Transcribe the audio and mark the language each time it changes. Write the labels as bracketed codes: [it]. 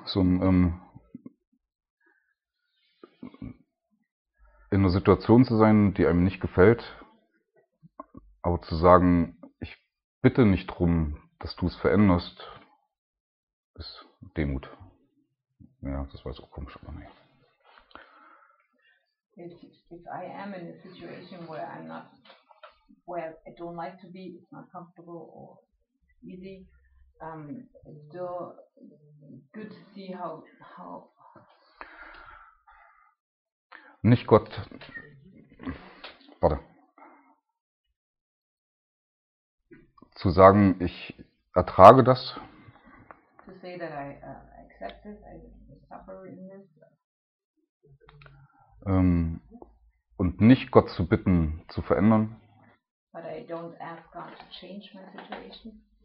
[de] So, in einer Situation zu sein, die einem nicht gefällt, aber zu sagen, ich bitte nicht drum, dass du es veränderst, ist Demut. Ja, das war jetzt auch komisch, aber nee. [en] If I am in a situation where I'm not, where I don't like to be, it's not comfortable or easy, it's still good to see how. [de] Nicht Gott. Warte. Zu sagen, ich ertrage das. [en] To say that I accept it, I suffer in this. [de] Und nicht Gott zu bitten, zu verändern. [en] But I don't ask God to change my situation.